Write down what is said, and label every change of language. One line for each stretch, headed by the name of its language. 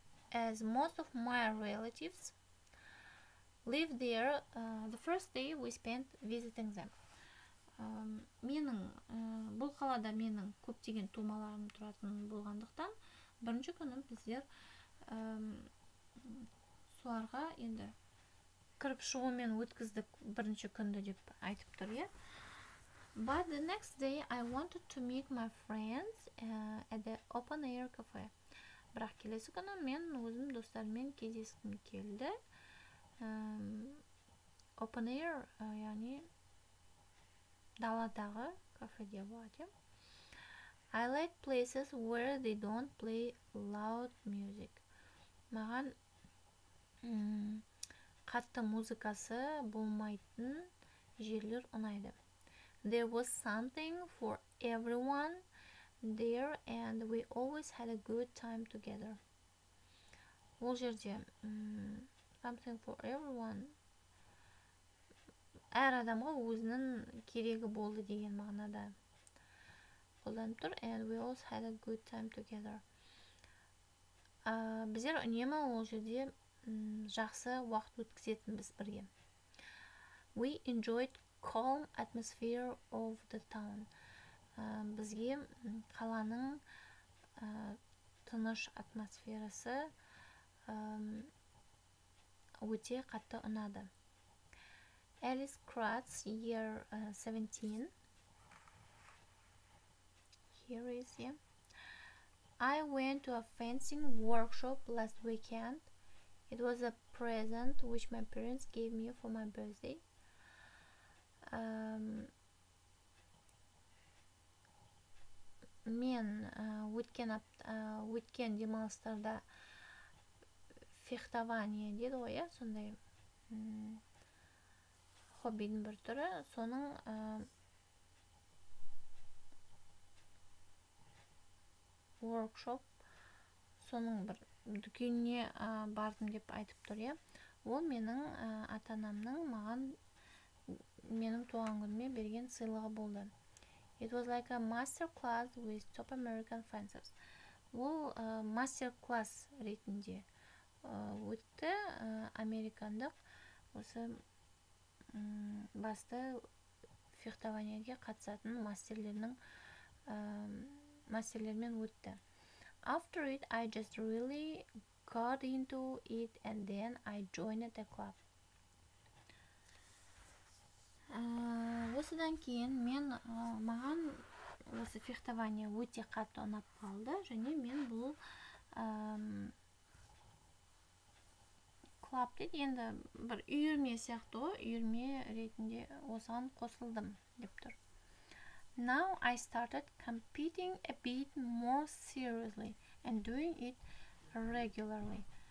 English: As most of my relatives live there, the first day we spent visiting them.
Kazakh: Бұл қалада менің көптеген тумаларым тұратын болғандықтан бірінші күні біздер соларға енді кіріп шығумен өткіздік бірінші күнді деп айтып тұр, иә.
English: But the next day I wanted to meet my friends at the open air cafe.
Kazakh: Бірақ келесі күні мен өзім достарыммен кездескім келді. Open air, яғни даладағы кафеде болады.
English: I like places where they don't play loud music.
Kazakh: Маған қатты музыкасы болмайтын жерлер ұнайды.
English: There was something for everyone there and we always had a good time together.
Kazakh: Ол жерде
English: something for everyone
Kazakh: әр адамға өзінің керегі болды деген мағынада қолданып тұр.
English: And we always had a good time together.
Kazakh: Біздер үнемі ол жерде жақсы уақыт өткізетінбіз бірге.
English: We enjoyed calm atmosphere of the town.
Kazakh: Бізге қаланың тыныш атмосферасы өте қатты ұнады.
English: Alice Kratz, year 17. Here is him. I went to a fencing workshop last weekend. It was a present which my parents gave me for my birthday.
Kazakh: Мен өткен демалыстарда фехтование дейді ғой, сондай хоббидің бір түрі, соның workshop соның бір дүкеніне бардым деп айтып тұр, е. Ол менің атанамның маған менің туған күніме берген сыйлығы болды.
English: It was like a masterclass with top American fencers.
Kazakh: Ол мастер-класс ретінде өтті американдық осы басты фехтованияге қатысатын мастерлермен өтті.
English: After it, I just really got into it and then I joined the club.
Kazakh: Осыдан кейін мен маған осы фехтование өте қатты ұнап қалды және мен бұл клуб деп енді бір үйірме сияқты ғой, үйірме ретінде осыған қосылдым деп тұр.
English: Now I started competing a bit more seriously and doing it regularly.